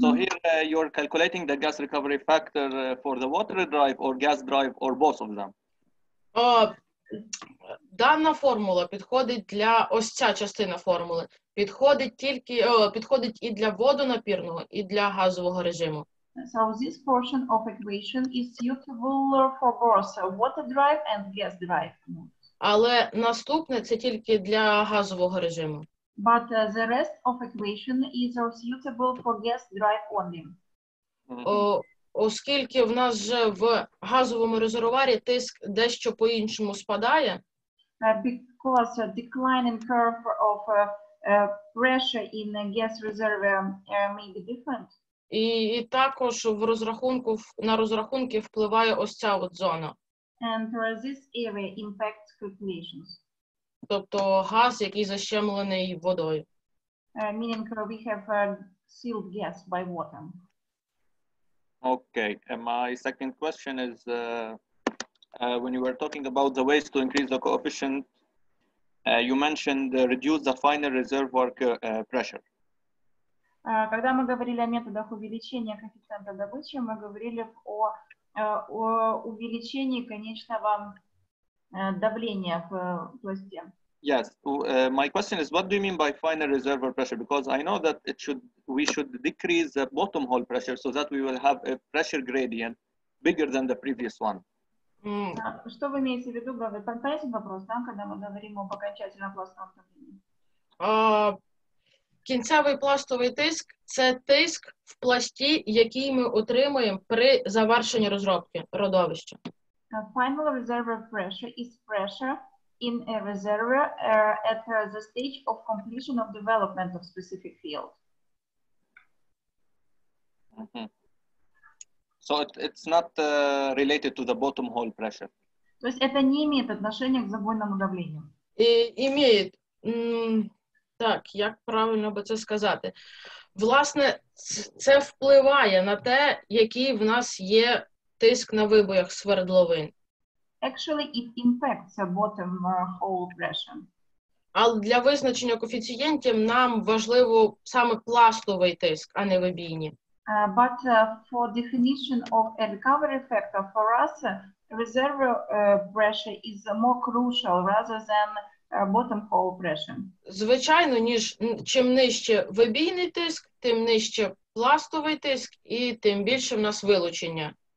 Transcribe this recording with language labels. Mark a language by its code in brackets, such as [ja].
[en] So here you're calculating the gas recovery factor for the water drive or gas drive or both of them? [uk] Дана формула підходить для, ось ця частина формули, підходить і для водонапірного, і для газового режиму. [en] So this portion of equation is suitable for both water drive and gas drive. [uk] Але наступне це тільки для газового режиму. [en] But the rest of equation is suitable for gas drive only. [uk] Оскільки в нас же в газовому резервуарі тиск дещо по-іншому спадає. [en] Because the declining curve of pressure in a gas reserve may be different. [uk] І також на розрахунки впливає ось ця от зона. [en] And this area impacts calculations. [uk] Тобто газ, який защемлений водою. [en] Meaning we have sealed gas by water. Okay, and my second question is when you were talking about the ways to increase the coefficient, you mentioned reduce the final reservoir pressure. [ru] Когда мы говорили о методах увеличения коэффициента добычи, мы говорили о увеличении конечного давления в пласте. [en] Yes, my question is, what do you mean by final reservoir pressure? Because I know that we should decrease the bottom hole pressure so that we will have a pressure gradient bigger than the previous one. [ru] Что вы имеете в виду, вы понимаете вопрос, да, когда мы говорим об окончательном пластовом давлении? [uk] кінцевий пластовий тиск – це тиск в пласті, який ми отримуємо при завершенні розробки родовища. [en] The final reservoir pressure is pressure in a reservoir at the stage of completion of development of specific field. Mm-hmm. So it's not related to the bottom hole pressure. [ru] То есть это не имеет отношения к забойному давлению. Имеет. [uk] Так, як правильно би це сказати? Власне, це впливає на те, який в нас є тиск на вибоях свердловин. [en] Actually, it impacts the bottom hole pressure. [uk] Але для визначення коефіцієнтів нам важливо саме пластовий тиск, а не вибійні. [en] But for definition of a recovery factor for us, reservoir pressure is more crucial rather than bottom hole pressure. [uk] Звичайно, ніж чим нижче вибійний тиск, тим нижче пластовий тиск і тим більше в нас вилучення.